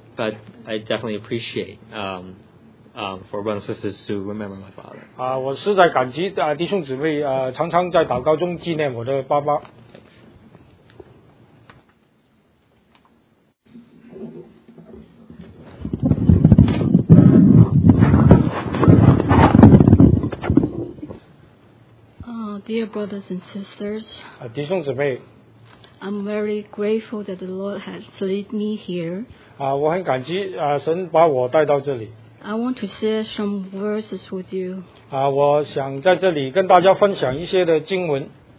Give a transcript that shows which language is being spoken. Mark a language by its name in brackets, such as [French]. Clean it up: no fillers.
[English] But I definitely appreciate for brothers and sisters to remember my father. [Chinese] 我实在感激弟兄姊妹常常在祷告中纪念我的爸爸。 [English] Dear brothers and sisters, [Chinese] 弟兄姊妹, [English] I'm very grateful that the Lord has led me here. [Chinese] 我很感激神把我带到这里。 [English] I want to share some verses with you. [Chinese] 我想在这里跟大家分享一些的经文。